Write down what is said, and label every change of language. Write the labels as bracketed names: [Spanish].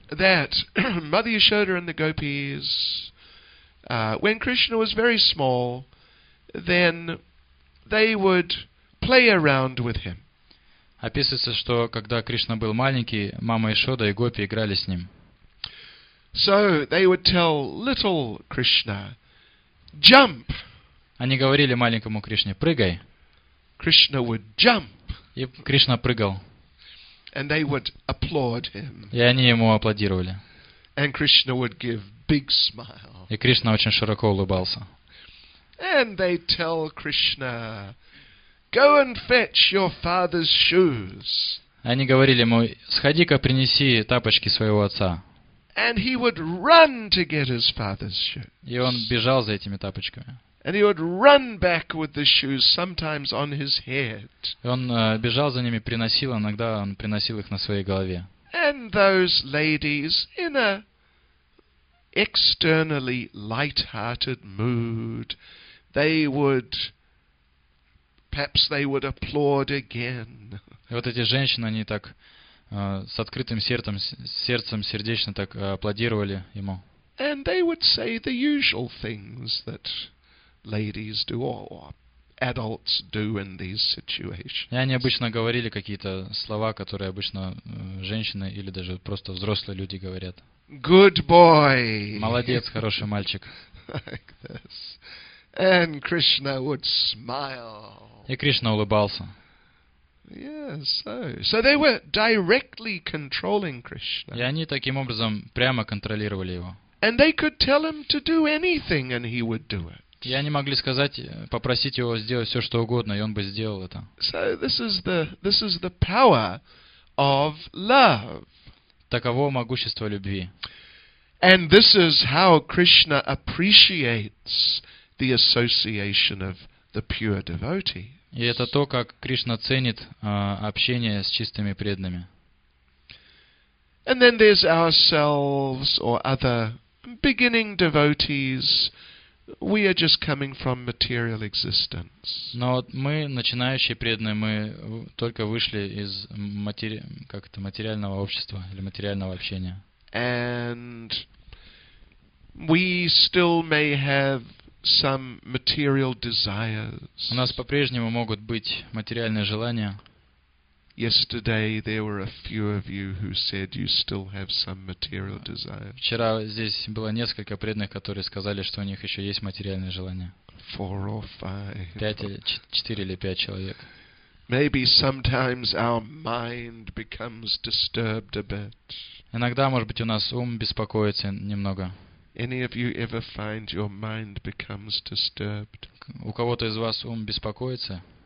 [English] That Mother Yashoda and the Gopis, when Krishna was very small, then they would play around with him. [Russian] Описывается, что когда Кришна был маленький, мама Ишода и Гопи играли с ним. [English] So they would tell little Krishna, jump. [Russian] Они говорили маленькому Кришне, прыгай. [English] Krishna would jump. [Russian] И Кришна прыгал. [English] And they would applaud him. [Russian] И они ему аплодировали. [English] And Krishna would give big smile. [Russian] И Кришна очень широко улыбался. [English] And they tell Krishna, go and fetch your father's shoes. [Russian] Они говорили ему, сходи-ка принеси тапочки своего отца. [English] And he would run to get his father's shoes. [Russian] И он бежал за этими тапочками. [English] And he would run back with the shoes, sometimes on his head. [Russian] И он бежал за ними, приносил, иногда он приносил их на своей голове. [English] And those ladies, in a externally light-hearted mood, they would applaud again. [Russian] И вот эти женщины, они так с открытым сердцем сердечно так аплодировали ему. [English] And they would say the usual things that ladies do, or adults do in these situations. [Russian] И они обычно говорили какие-то слова, которые обычно женщины или даже просто взрослые люди говорят. [English] Good boy. [Russian] Молодец, хороший мальчик. [English] Like this. And Krishna would smile. [Russian] И Кришна улыбался. [English] So they were directly controlling Krishna. [Russian] И они таким образом прямо контролировали его. [English] And they could tell him to do anything, and he would do it. [Russian] И они могли сказать, попросить его сделать все, что угодно, и он бы сделал это. [English] So this is the power of love. [Russian] Таково могущество любви. [English] And this is how Krishna appreciates the association of the pure devotees. [Russian] И это то, как Кришна ценит общение с чистыми преданными. [English] And then there's ourselves or other beginning devotees. We are just coming from material existence. [Russian] Но мы начинающие преданные, мы только вышли из материального общества или материального общения. [English] And we still may have some material desires. [Russian] У нас по-прежнему могут быть материальные желания. [English] Yesterday there were a few of you who said you still have some material desires. [Russian] Вчера здесь было несколько преданных, которые сказали, что у них еще есть материальные желания. [English] 4 or 5 [Russian] человек. [English] Maybe sometimes our mind becomes disturbed a bit. [Russian] Иногда, может быть, у нас ум беспокоится немного. [English] Any of you ever find your mind becomes disturbed? [Russian] У кого-то из вас ум беспокоится?